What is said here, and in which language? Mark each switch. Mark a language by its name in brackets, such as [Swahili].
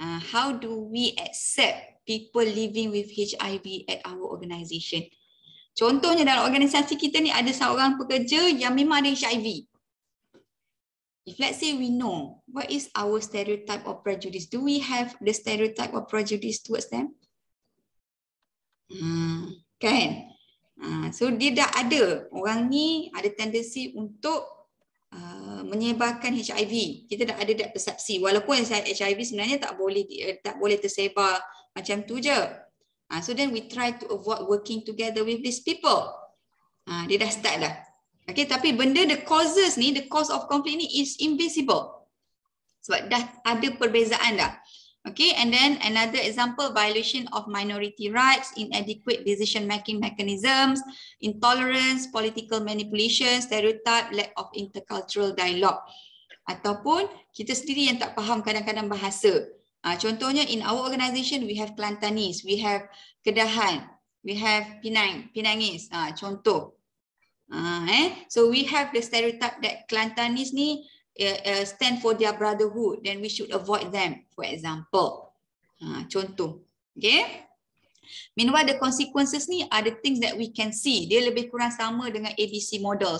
[English] How do we accept people living with HIV at our organisation? [Malay] Contohnya dalam organisasi kita ni ada seorang pekerja yang memang ada HIV. [English] If let's say we know, what is our stereotype or prejudice? Do we have the stereotype or prejudice towards them? [Malay] Kan? So dia dah ada. Orang ni ada tendensi untuk menyebarkan HIV. Kita dah ada that persepsi. Walaupun HIV sebenarnya tak boleh tersebar macam tu je. [English] So then we try to avoid working together with these people. [Malay] Dia dah start dah. [English] Okay, [Malay] tapi benda [English] the causes ni, the cause of conflict ni is invisible. [Malay] Sebab dah ada perbezaan dah. [English] Okay, and then another example, violation of minority rights, inadequate decision making mechanisms, intolerance, political manipulation, stereotype, lack of intercultural dialogue. [Malay] Ataupun kita sendiri yang tak faham kadang-kadang bahasa. Contohnya, [English] in our organization, we have Kelantanese, we have Kedahan, we have Penang, Penangese. Contoh. So we have the stereotype that Kelantanese ni stand for their brotherhood, then we should avoid them, for example. Contoh. Okay. Meanwhile, the consequences ni are the things that we can see. [Malay] Dia lebih kurang sama dengan ABC model.